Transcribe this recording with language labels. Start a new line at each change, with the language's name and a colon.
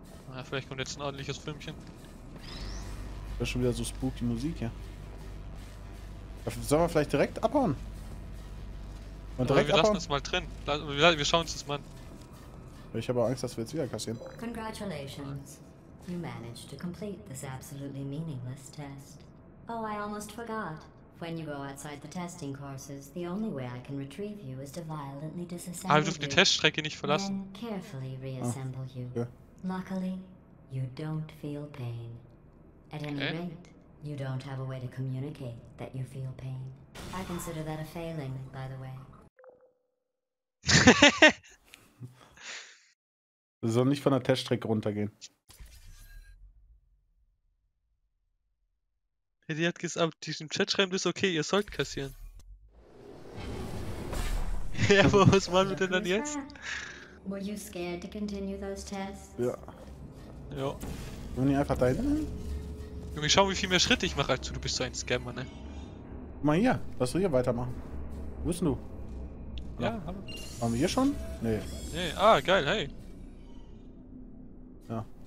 German: Na, vielleicht kommt jetzt ein ordentliches Filmchen. Das ist schon wieder so spooky Musik hier. Sollen wir vielleicht direkt abhauen? Und direkt wir abhauen? Lassen das mal drin. Wir schauen uns das mal an. Ich habe Angst, dass wir jetzt wieder kassieren.
English: Congratulations. You managed to complete this absolutely meaningless test. Oh, I almost forgot. When you go outside the testing courses, the only way I can retrieve you is to violently disassemble you.
German: Ah, du darfst die Teststrecke nicht verlassen.
English: Then carefully reassemble you. Okay. Luckily, you don't feel pain. At any rate, you don't have a way to communicate that you feel pain. I consider that a failing, by the way.
German: Soll nicht von der Teststrecke runtergehen. Die hat gesagt, die im Chat schreiben, das ist okay, ihr sollt kassieren. Ja, aber was wollen wir denn dann jetzt?
English: Were you scared to continue those tests?
German: Ja. Ja. Wollen wir einfach dahin? Junge, schau, wie viel mehr Schritte ich mache, als du bist so ein Scammer, ne? Guck mal hier, lass du hier weitermachen. Wo bist denn du? Ja, hallo. Waren wir hier schon? Nee. Nee, ah, geil, hey. Ja.